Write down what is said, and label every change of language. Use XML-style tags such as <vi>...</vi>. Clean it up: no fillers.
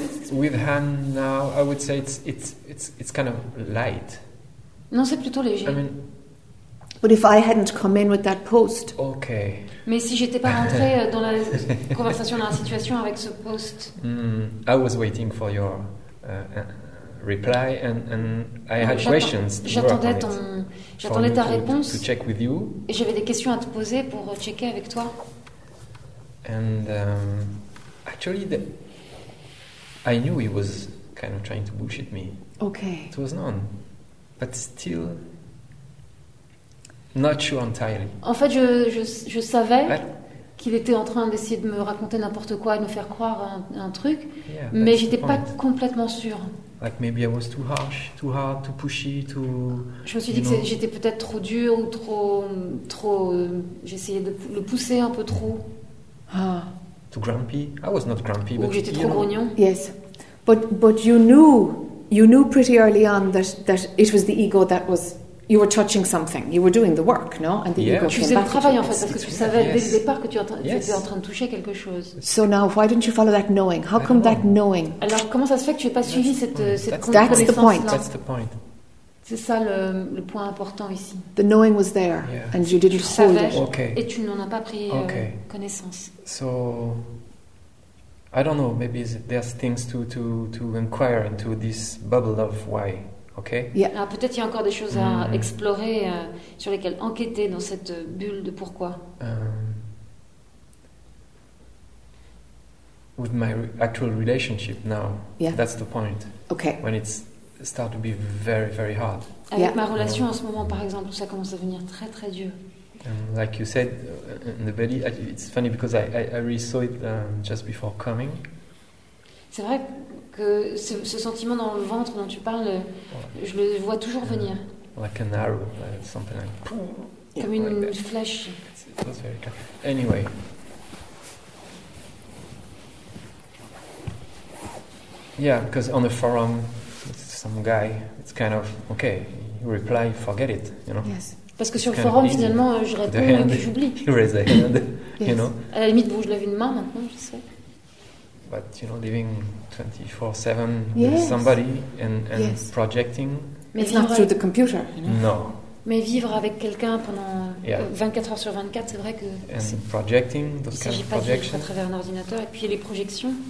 <en>with hand now, I would say it's kind of light.</en> <fr>Non, c'est plutôt léger.</fr> <en>I mean, but if I hadn't come in with that post. Okay.</en> <fr>Mais si j'étais pas rentrée dans la conversation, dans la situation avec ce post.</fr> <en>I was waiting for your reply and I had questions.</en> <fr>J'attendais ta réponse.</fr> <en>To check with you.</en> <fr>Et j'avais des questions à te poser pour checker avec toi.</fr> <en>And actually, I knew he was kind of trying to bullshit me. Okay. It was known. But still. Not sure entirely.</en> <fr>En fait, je savais qu'il était en train d'essayer de me raconter n'importe quoi et de me faire croire un truc,</fr> <en>yeah,</en> <fr>mais j'étais pas complètement sûre.</fr> <en>Like maybe I was too harsh, too hard, too pushy, too.</en> <fr>Je me suis dit que j'étais peut-être trop dure ou trop. J'essayais de le pousser un peu trop. Ah.</fr> <en>Too grumpy. I was not grumpy,</en> <fr>ou</fr> <en>but.</en> <fr>Ou j'étais trop grognon.</fr> <en>Yes, but you knew pretty early on that it was the ego that was. You were touching something. You were doing the work, no? And the ego came back.</en> <fr>Tu faisais le travail, en fait, parce que tu savais dès le départ que tu étais en train de toucher quelque chose.</fr> <en>So now, why didn't you follow that knowing? How come that knowing?</en> <fr>Alors, comment ça se fait que tu n'as pas suivi cette connaissance-là?</fr> <en>That's the point. That's the point.</en> <fr>C'est ça le point important ici.</fr> <en>The knowing was there, and you didn't hold it. Okay.</en> <fr>Et tu n'en as pas pris connaissance.</fr> <en>So, I don't know. Maybe there's things to inquire into this bubble of why. Okay. Yeah.</en> <fr>Alors, peut-être il y a encore des choses à explorer sur lesquelles enquêter dans cette bulle de pourquoi.</fr> <en>With my actual relationship now, that's the point. Okay. When it's start to be very very hard.</en> <fr>Avec ma relation en ce moment, par exemple, où ça commence à devenir très très dur.</fr> <en>Like you said in the belly, it's funny because I really saw it just before coming.</en> <fr>C'est vrai. Que ce sentiment dans le ventre dont tu parles, je le vois toujours venir.</fr> <en>Like an arrow, something like.</en> <fr>Comme une</fr> <en>like</en> <fr>flèche.</fr> <en>That's very clear. Anyway. Yeah, because on the forum, some guy, it's kind of okay. You reply, forget it, you know. Yes.</en> <fr>Parce que sur le forum, finalement, je réponds et puis j'oublie.</fr> <en>You raise the hand, you know.</en> <fr>À la limite, bouge la une main maintenant, je sais.</fr> <en>But you know, living 24/7 with somebody and projecting.</en> <fr>Mais</fr> <en>it's not through the computer. No.</en> <fr>Mais vivre avec quelqu'un pendant 24 heures sur 24, c'est vrai que.</fr> <en>And</en> <fr>c'est</fr> <en>projecting those kind of projections.</en> <fr>À travers un ordinateur et puis les projections.</fr>